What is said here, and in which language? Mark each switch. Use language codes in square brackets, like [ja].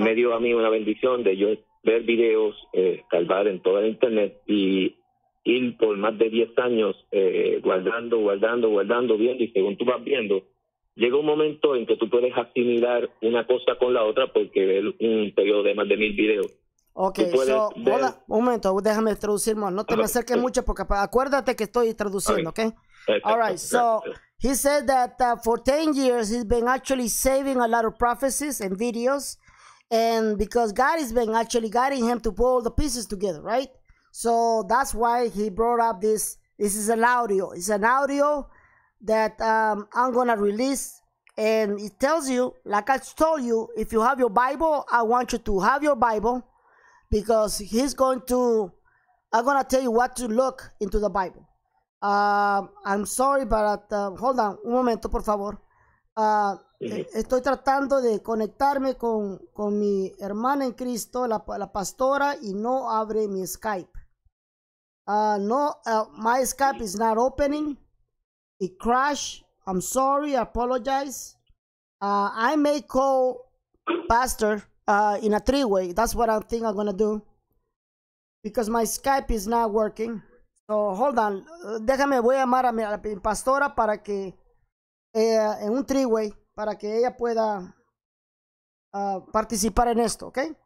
[es] Me dio a mí una bendición de yo ver videos, calvar en todo el internet y ir por más de 10 años guardando, viendo, y según tú vas viendo, llega un momento en que tú puedes asimilar una cosa con la otra porque ves un periodo de más de 1,000 videos. Ok, hola, un momento, déjame traducir más. No te me acerques mucho porque acuérdate que estoy traduciendo, ¿ok? [en] All right, so he said that for 10 years he's been actually saving a lot of prophecies and videos, and because God has been actually guiding him to pull all the pieces together, right? So that's why he brought up this. This is an audio. It's an audio that I'm going to release. And it tells you, like I told you, if you have your Bible, I want you to have your Bible. Because I'm going to tell you what to look into the Bible. I'm sorry, but hold on. [es] Un momento, por favor. Estoy tratando de conectarme con mi hermana en Cristo, la pastora, y no abre mi Skype. [en] My Skype is not opening. It crashed. I'm sorry. I apologize. I may call pastor in a three-way. That's what I think I'm going to do because my Skype is not working. So hold on. [es] Déjame, voy a llamar a mi pastora para que en un [en] three-way [es] para que ella pueda participar en esto, ¿ok?